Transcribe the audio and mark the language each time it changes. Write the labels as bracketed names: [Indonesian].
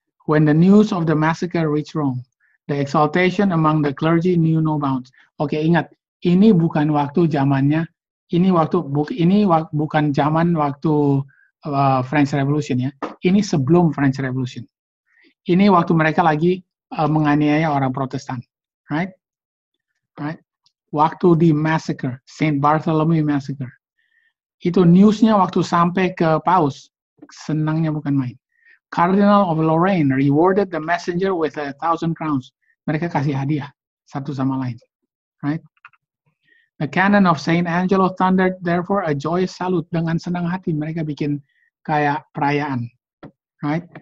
[English] When the news of the massacre reached Rome, the exaltation among the clergy knew no bounds. [Indonesian] Okay, ingat, ini bukan waktu zamannya. Ini bukan zaman waktu French Revolution ya. Ini sebelum French Revolution. Ini waktu mereka lagi menganiaya orang Protestan. Right? Right? Waktu di massacre, St. Bartholomew massacre. Itu newsnya waktu sampai ke Paus, senangnya bukan main. [English] Cardinal of Lorraine rewarded the messenger with 1,000 crowns. [Indonesian] Mereka kasih hadiah satu sama lain. Right? [English] The cannon of St. Angelo thundered, therefore a joyous salute. [Indonesian] Dengan senang hati mereka bikin kayak perayaan. Right?